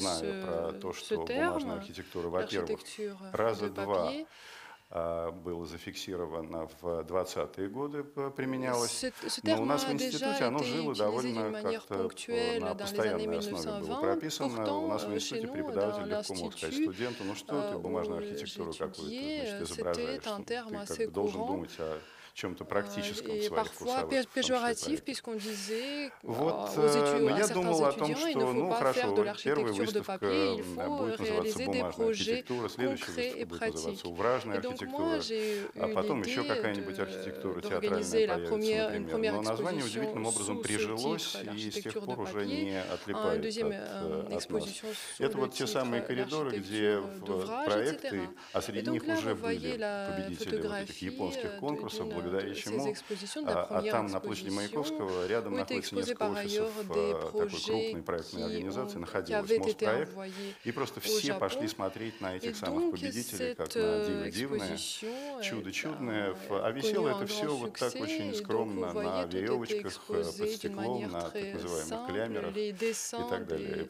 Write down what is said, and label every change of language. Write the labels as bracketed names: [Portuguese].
[Russian] знаю про то, что бумажная архитектура, во-первых, раза два было зафиксировано в 20-е годы, применялось. Но у нас в институте оно жило довольно как-то на постоянной основе было прописано. У нас в институте преподаватель легко мог сказать студенту, ну что ты бумажную архитектуру какую-то изображаешь, ты как бы должен думать о чем-то практическом своих вкусовых. [French] И парфois péjoratif, puisqu'on disait [Russian] вот, [French] aux étudiants, à certains étudiants, il ne faut pas faire de l'architecture de papier, il faut réaliser des projets concrets et pratiques. Et donc moi, j'ai eu une idée d'organiser une première exposition sous ce titre, l'architecture de papier, une deuxième exposition sous le titre, l'architecture d'ouvrage, etc. [Russian] А среди них уже были победители вот этих японских конкурсов, благодаря чему, а там на площади Маяковского рядом находится несколько офисов такой крупной проектной организации, находилась Мосгпроект, и просто все пошли смотреть на этих самых победителей, как на диво дивное, чудо чудное, а висело это все вот так очень скромно на веревочках под стеклом, на так называемых клямерах и так далее.